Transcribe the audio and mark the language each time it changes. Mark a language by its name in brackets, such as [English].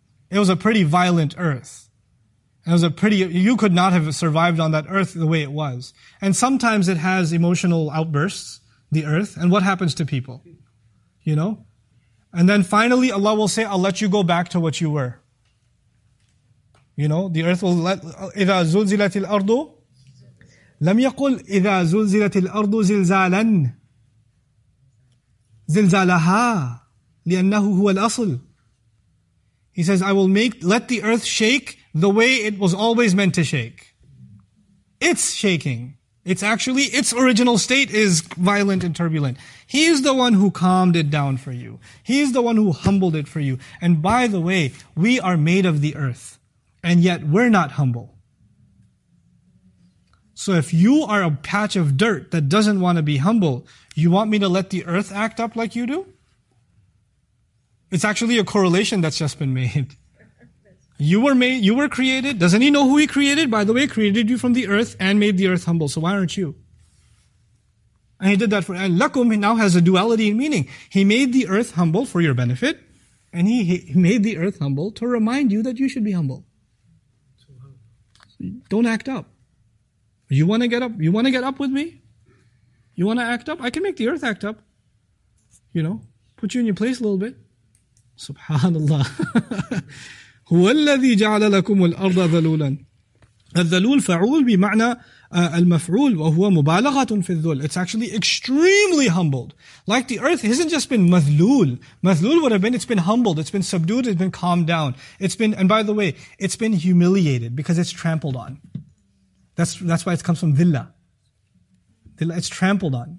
[English] It was a pretty violent earth. You could not have survived on that earth the way it was. And sometimes it has emotional outbursts, the earth. And what happens to people? You know? And then finally Allah will say, I'll let you go back to what you were. You know, the earth will let, [Arabic] إِذَا زُلْزِلَتِ الْأَرْضُ لَمْ يَقُلْ إِذَا زُلْزِلَتِ الْأَرْضُ زِلْزَالًا زِلْزَالَهَا لِأَنَّهُ هُوَ الْأَصْلُ. [English] He says, I will let the earth shake the way it was always meant to shake. It's shaking. It's actually, its original state is violent and turbulent. He is the one who calmed it down for you. He is the one who humbled it for you. And by the way, we are made of the earth, and yet we're not humble. So if you are a patch of dirt that doesn't want to be humble, you want me to let the earth act up like you do? It's actually a correlation that's just been made. You were created. Doesn't he know who he created? By the way, created you from the earth and made the earth humble. So why aren't you? And he did that for, and lakum now has a duality in meaning. He made the earth humble for your benefit, and he made the earth humble to remind you that you should be humble. Don't act up. You want to get up? You want to get up with me? You want to act up? I can make the earth act up. You know, put you in your place a little bit. Subhanallah. [Arabic] هو الذي جعل لكم الأرض ذلولا. الذلول فعول بمعنى المفعول وهو مبالغة في الذل. [English] It's actually extremely humbled. Like the earth hasn't just been مذلول. مذلول would have been, it's been humbled, it's been subdued, it's been calmed down. It's been, and by the way, it's been humiliated because it's trampled on. That's why it comes from ذلة. It's trampled on.